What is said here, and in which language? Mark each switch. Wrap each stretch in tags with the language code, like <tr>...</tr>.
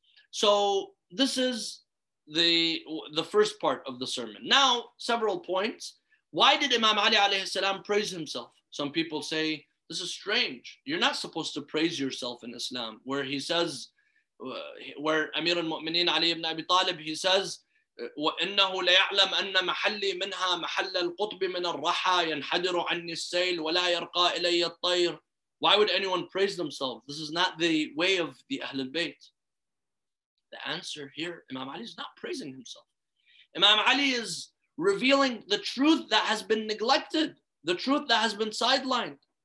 <en>So this is the first part of the sermon. Now, several points. Why did Imam Ali alayhi salam praise himself? Some people say, this is strange. You're not supposed to praise yourself in Islam. Where he says, where Amir al-Mu'mineen Ali ibn Abi Talib, he says,</en> <ar>وإنه لا يعلم أن محلي منها محل القطب من الرحى ينحدر عني السيل ولا يرقى إلي الطير.</ar> <en>Why would anyone praise themselves? This is not the way of the Ahlul Bayt. The answer here, Imam Ali is not praising himself. Imam Ali is revealing the truth that has been neglected, the truth that has been sidelined.</en>